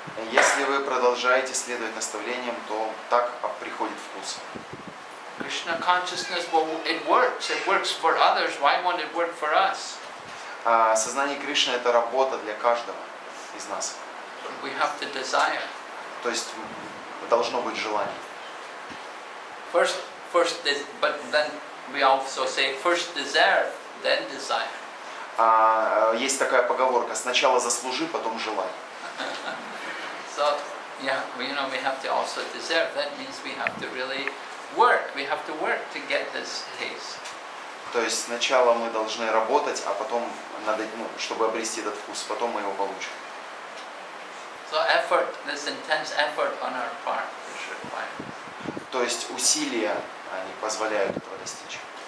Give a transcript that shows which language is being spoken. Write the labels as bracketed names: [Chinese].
[Russian] Если вы продолжаете следовать наставлениям, то так приходит вкус. [English] Krishna consciousness, well, it works. It works for others. Why won't it work for us? [Russian] Сознание Кришны — это работа для каждого из нас. [English] We have to desire. [Russian] То есть должно быть желание. [English] First this, but then we also say first desire, then desire. [Russian] Есть такая поговорка: сначала заслужи, потом желай. [English] So, yeah, you know, we have to also deserve. That means we have to really work. We have to work to get this taste. [Russian] То есть сначала мы должны работать, а потом надо, ну, чтобы обрести этот вкус, потом мы его получим. [English] So effort, this intense effort on our part is required. [Russian] То есть усилия, они позволяют этого достичь.